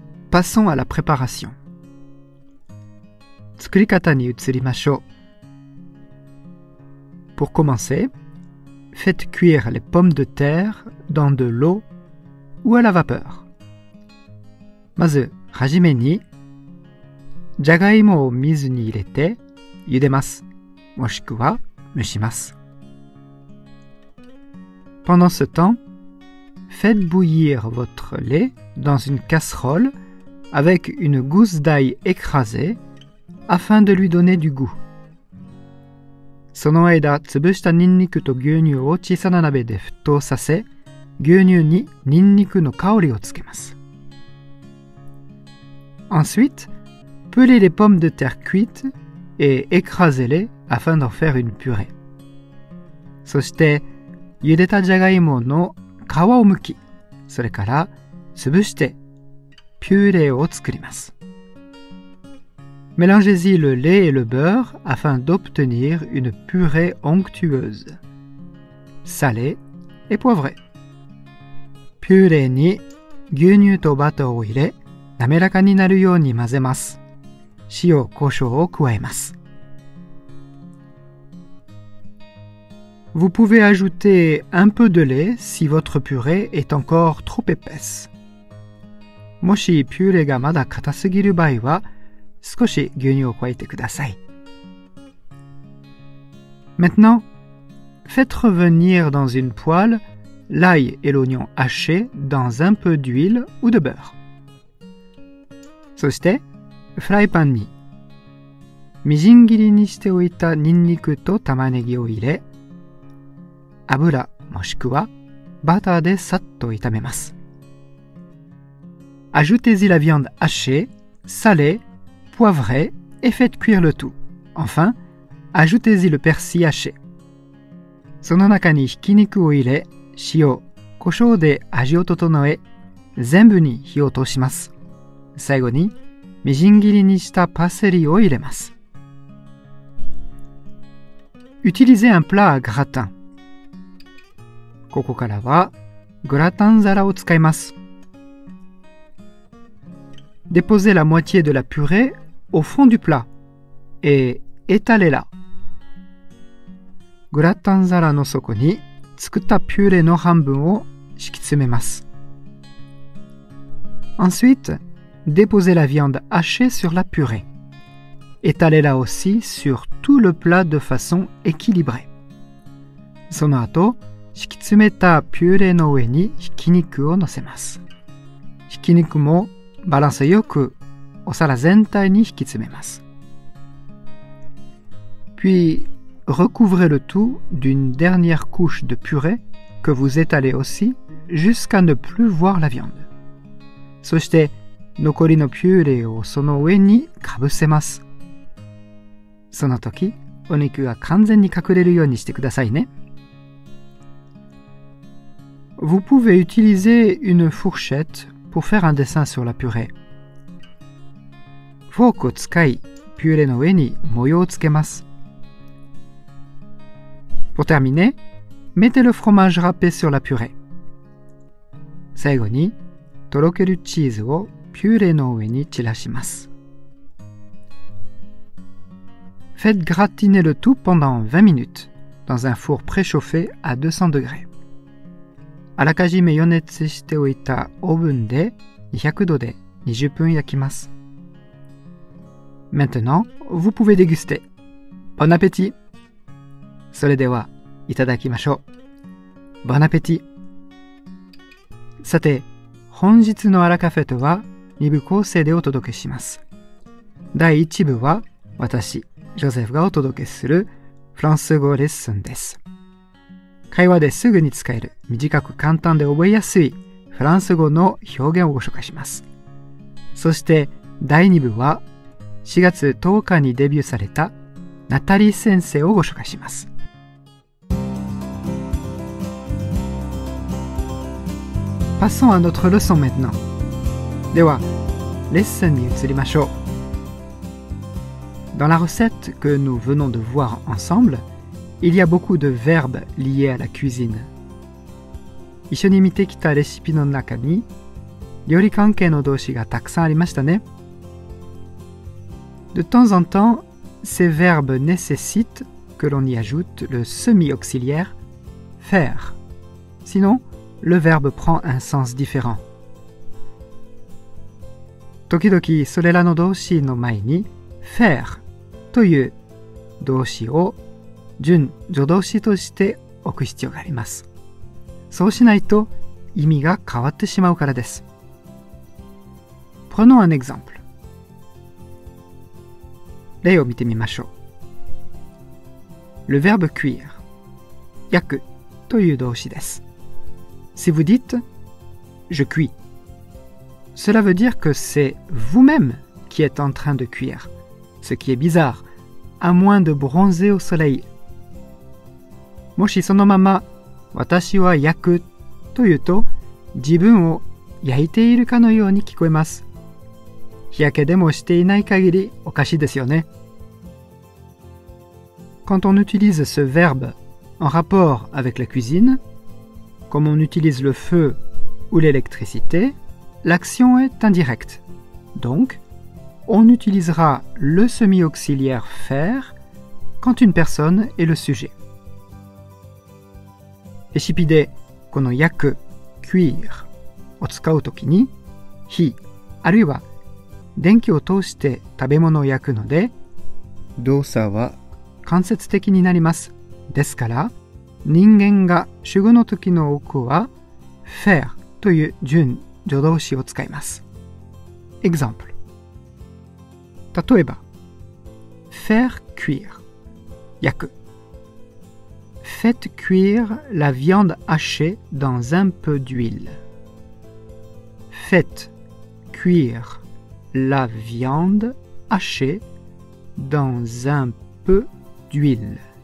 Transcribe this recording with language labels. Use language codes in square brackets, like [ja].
[fr] Passons à la préparation. [ja] Tsukurikata ni utsurimashou. [fr] Pour commencer, faites cuire les pommes de terre dans de l'eau. ou à la vapeur. [ja] まず、はじめに、じゃがいもを水に入れて、茹でます。もしくは、蒸します。 [fr] Pendant ce temps, faites bouillir votre lait dans une casserole avec une gousse d'ail écrasée afin de lui donner du goût. [ja] その間、つぶしたニンニクと牛乳を小さな鍋で沸騰させ、牛乳にニンニクの香りをつけます。 [fr] Ensuite, pelez les pommes de terre cuites et écrasez-les afin d'en faire une purée. [ja] そして、茹でたじゃがいもの皮をむき、それから潰して、ピューレを作ります。 [fr] Mélangez-y le lait et le beurre afin d'obtenir une purée onctueuse. Salée et poivrée. [ja] ピューレに牛乳とバターを入れ、滑らかになるように混ぜます。塩、胡椒を加えます。 [fr] Vous pouvez ajouter un peu de lait si votre purée est encore trop épaisse. [ja] もしピューレがまだ硬すぎる場合は、少し牛乳を加えてください。 [fr] Maintenant, faites revenir dans une poêle l'ail et l'oignon haché dans un peu d'huile ou de beurre. [ja] そして、フライパンにみじん切りにしておいたニンニクと玉ねぎを入れ、油もしくはバターでさっと炒めます。 [fr] Ajoutez-y la viande hachée, salée, poivrée et faites cuire le tout. Enfin, ajoutez-y le persil haché. [ja] その中にひき肉を入れ、塩、胡椒で味を整え、全部に火を通します。最後にみじん切りにしたパセリを入れます。 [fr] Utilisez un plat à gratin. [ja] ここからはグラタン皿を使います。 [fr] Déposez la moitié de la purée au fond du plat et étalez-la. [ja] グラタン皿の底に作ったピューレの半分を敷き詰めます。 [fr] Ensuite, déposez la viande hachée sur la purée. Étalez-la aussi sur tout le plat de façon équilibrée. [ja] その後、敷き詰めたピューレの上にひき肉を乗せます。ひき肉もバランスよくお皿全体に敷き詰めます。 [fr] Puis, recouvrez le tout d'une dernière couche de purée que vous étalez aussi jusqu'à ne plus voir la viande. [ja] そして、残りのピューレをその上にかぶせます。その時、お肉が完全に隠れるようにしてくださいね。 [fr] Vous pouvez utiliser une fourchette pour faire un dessin sur la purée. [ja] フォークを使い、ピューレの上に模様をつけます。 [fr] Pour terminer, mettez le fromage râpé sur la purée. [ja] 最後に、とろけるチーズをピューレの上に散らします。 [fr] Faites gratiner le tout pendant 20 minutes dans un four préchauffé à 200 degrés. [ja] あらかじめ予熱しておいたオーブンで200度で20分焼きます。 [fr] Maintenant, vous pouvez déguster. Bon appétit! [ja] それでは、いただきましょう。 [fr] Bon appétit! [ja] さて、本日のアラカフェとは2部構成でお届けします。第1部は、私、ジョゼフがお届けするフランス語レッスンです。会話ですぐに使える、短く簡単で覚えやすいフランス語の表現をご紹介します。そして第2部は、4月10日にデビューされたナタリー先生をご紹介します。 [fr] Passons à notre leçon maintenant. [ja] では、レッスンに移りましょう。 [fr] Dans la recette que nous venons de voir ensemble,Il y a beaucoup de verbes liés à la cuisine. [ja] 一緒に見てきたレシピの中に料理関係の動詞がたくさんありましたね。 [fr] De temps en temps, ces verbes nécessitent que l'on y ajoute le semi-auxiliaire faire. Sinon, le verbe prend un sens différent. [ja] 時々それらの動詞の前に faire という動詞を準助動詞として置く必要があります。そうしないと意味が変わってしまうからです。 [fr] Prenons un exemple. [ja] 例を見てみましょう。 [fr] Le verbe cuire [ja] 焼くという動詞です。 [fr] Si vous dites Je cuis, cela veut dire que c'est vous-même qui êtes en train de cuire, ce qui est bizarre, à moins de bronzer au soleil. [ja] もしそのまま私は焼くというと自分を焼いているかのように聞こえます。日焼けでもしていない限りおかしいですよね。 [fr] Quand on utilise ce verbe en rapport avec la cuisine, comme on utilise le feu ou l'électricité, l'action est indirecte. Donc, on utilisera le semi-auxiliaire faire quand une personne est le sujet. [ja] レシピでこの焼く cuir を使うときに火あるいは電気を通して食べ物を焼くので動作は間接的になります。ですから人間が主語の時の多くは faire という準助動詞を使います。 [en] Example [ja] 例えば [fr] faire cuire [ja] 焼く。 [fr] Faites cuire la viande hachée dans un peu d'huile. Faites cuire la viande hachée dans un peu d'huile.